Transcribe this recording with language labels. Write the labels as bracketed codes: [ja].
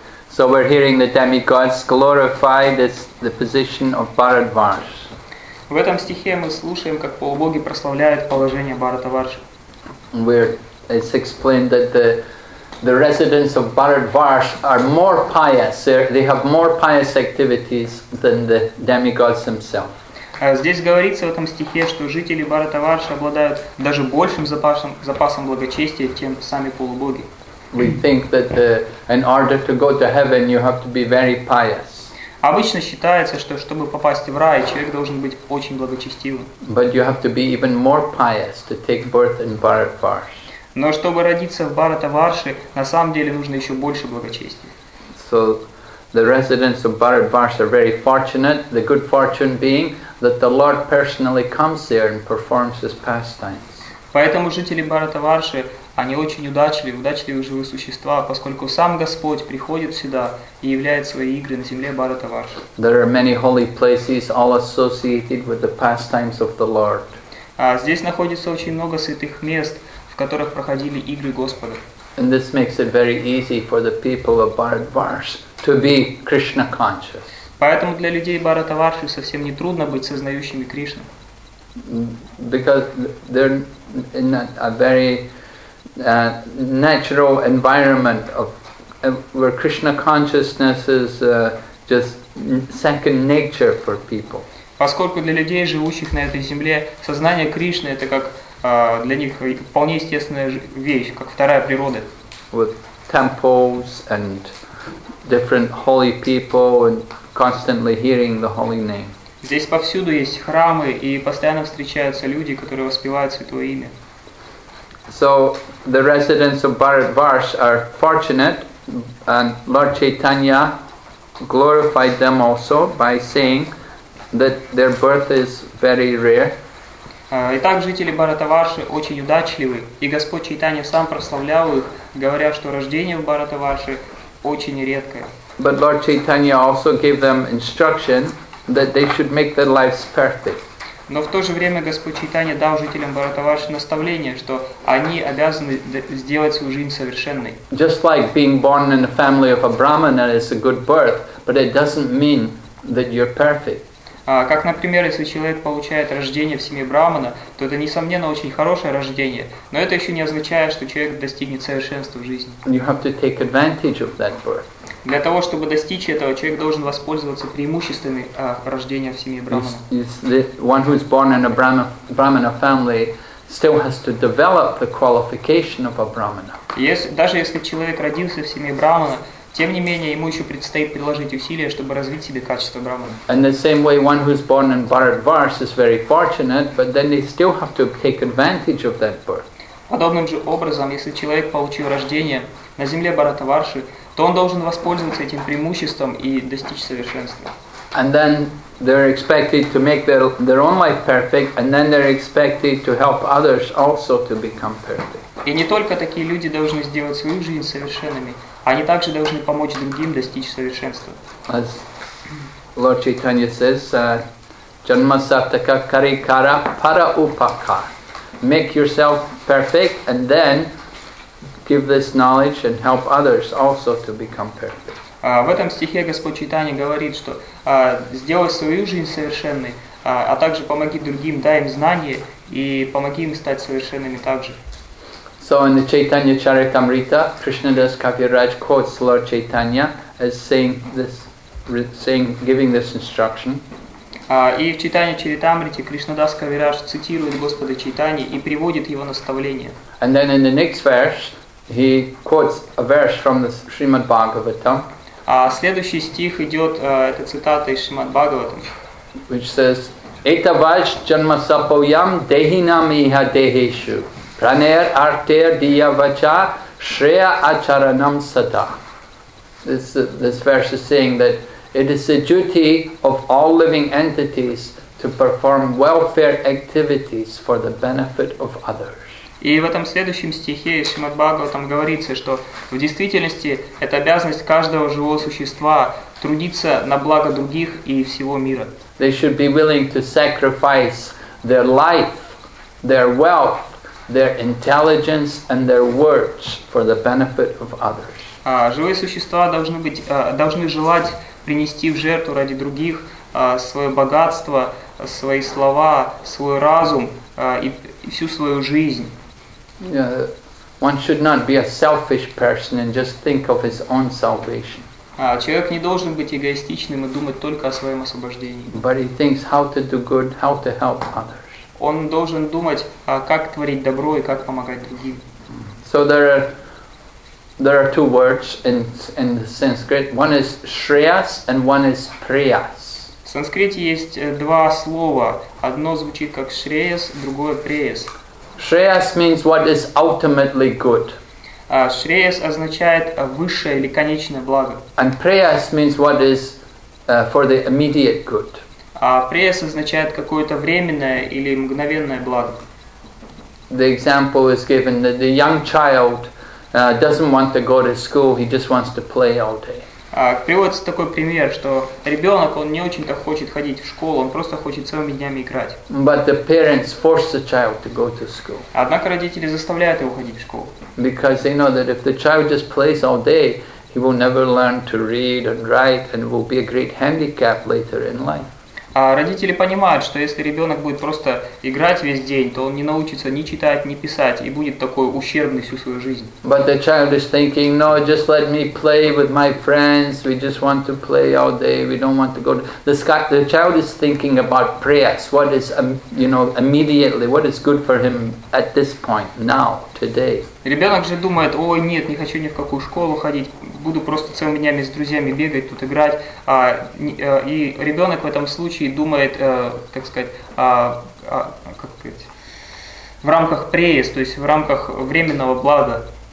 [en] So we're hearing the demigods glorify this, the position of Bharatvarsh. [ru] В этом стихе мы слушаем, как полубоги прославляют положение Бхарата-варши. [en] It's explained that the residents of Bharatvarsh are more pious. They have more pious activities than the demigods themselves. [ru] Здесь говорится в этом стихе, что жители Бхарата-варши обладают даже большим запасом благочестия, чем сами полубоги. [en] We think that in order to go to heaven, you have to be very pious. [ru] Обычно считается, что чтобы попасть в рай, человек должен быть очень благочестивым. [en] But you have to be even more pious to take birth in Bharata-varsh. [ru] Но чтобы родиться в Бхарата-варши, на самом деле нужно еще больше благочестия. [en] So the residents of Bharata-varsh are very fortunate. The good fortune being that the Lord personally comes there and performs his pastimes. [ru] Поэтому жители Бхарата-варши, они очень удачливые живые существа, поскольку сам Господь приходит сюда и являет свои игры на земле Бхарата-варши. [en] There are many holy places all associated with the pastimes of the Lord. [ru] Здесь находится очень много святых мест, в которых проходили игры Господа. [en] And this makes it very easy for the people of Bharata-varsh to be Krishna conscious. [ru] Поэтому для людей Бхарата-варши совсем не трудно быть сознающими Кришну. [en] Because they're in a very natural environment of where Krishna consciousness is just second nature for people. [ru] Поскольку для людей, живущих на этой земле, сознание Кришны это как для них вполне естественная вещь, как вторая природа. [en] With temples and different holy people and constantly hearing the holy name. [ru] Здесь повсюду есть храмы и постоянно встречаются люди, которые воспевают святое имя. [en] So the residents of Bharata-varsh are fortunate, and Lord Chaitanya glorified them also by saying that their birth is very rare. [ru] Итак, жители Бхарата-варши очень удачливы, и Господь Чайтанья сам прославлял их, говоря, что рождение в Бхарата-варши очень редкое. [en] But Lord Chaitanya also gave them instruction that they should make their lives perfect. [ru] Но в то же время Господь Чайтанья дал жителям Бхарата-варши наставление, что они обязаны сделать свою жизнь совершенной. [en] Just like being born in a family of a brahmana is a good birth, but it doesn't mean that you're perfect. [ru] Как, например, если человек получает рождение в семье брахмана, то это несомненно очень хорошее рождение, но это еще не означает, что человек достигнет совершенства в жизни. [en] You have to take advantage of that birth. [ru] Для того, чтобы достичь этого, человек должен воспользоваться преимуществами рождения в семье брахмана. Даже если человек родился в семье брахмана, Тем не менее, ему еще предстоит приложить усилия, чтобы развить себе качество брахмана. [en] In the same way, one who's born in Bharatvarsh is very fortunate, but then they still have to take advantage of that birth. [ru] Подобным же образом, если человек получил рождение на земле Бхаратаварши, то он должен воспользоваться этим преимуществом и достичь совершенства. [en] And then they're expected to make their own life perfect, and then they're expected to help others also to become perfect. [ru] И не только такие люди должны сделать свою жизнь совершенными, они также должны помочь другим достичь совершенства. [en] As Lord Chaitanya says, [sa] "Janma sattaka karikara para upaka." [en] Make yourself perfect, and then give this knowledge and help others also to become perfect. [ru] В этом стихе Господь Чайтанья говорит, что сделай свою жизнь совершенной, а также помоги другим, дай им знания и помоги им стать совершенными также. [en] So in the Chaitanya Charitamrita, Krishnadas Kaviraj quotes Lord Chaitanya as giving this instruction. [ru] И в Чайтанья Чаритамрите Кришнадас Кавирадж цитирует Господа Чайтанью и приводит его наставление. [en] And then in the next verse, he quotes a verse from the Srimad Bhagavatam. [ru] А следующий стих идет, это цитата из Шримад Бхагаватам. [en] Which says, [sa] Этаваш джанмасапоям дехинам иха дехешу, пранер артер диявача шрея ачаранам сада. [en] This verse is saying that it is the duty of all living entities to perform welfare activities for the benefit of others. [ru] И в этом следующем стихе из Шримад Бхагаватам говорится, что в действительности это обязанность каждого живого существа трудиться на благо других и всего мира. [en] They should be willing to sacrifice their life, their wealth, their intelligence and their words for the benefit of others. [ru] Живые существа должны желать принести в жертву ради других свое богатство, свои слова, свой разум и всю свою жизнь. [en] One should not be a selfish person and just think of his own salvation. [ru] Человек не должен быть эгоистичным и думать только о своем освобождении. [en] But he thinks how to do good, how to help others. [ru] Он должен думать, как творить добро и как помогать другим. [en] So there are two words in the Sanskrit. One is Shreyas and one is Priyas. [ru] В санскрите есть два слова. Одно звучит как Shreyas, другое Priyas. [en] Shreyas means what is ultimately good. [ru] Shreyas означает высшее или конечное благо. [en] And Priyas means what is for the immediate good. [ru] Priyas означает какое-то временное или мгновенное благо. [en] The example is given that the young child doesn't want to go to school, he just wants to play all day. [ru] Приводится такой пример, что ребенок, он не очень-то хочет ходить в школу, он просто хочет целыми днями играть. [en] But the parents force the child to go to school. [ru] Однако родители заставляют его ходить в школу. [en] Because they know that if the child just plays all day, he will never learn to read and write and will be a great handicap later in life. [ru] Родители понимают, что если ребенок будет просто играть весь день, то он не научится ни читать, ни писать, и будет такой ущербный всю свою жизнь. [en] But the child is thinking, no, just let me play with my friends, we just want to play all day, we don't want to go to... The child is thinking about prayers, what is, immediately, what is good for him at this point, now, today. [ru] Ребенок же думает, ой, нет, не хочу ни в какую школу ходить, буду просто целыми днями с друзьями бегать, тут играть. И ребенок в этом случае думает, в рамках преис, то есть в рамках временного блага.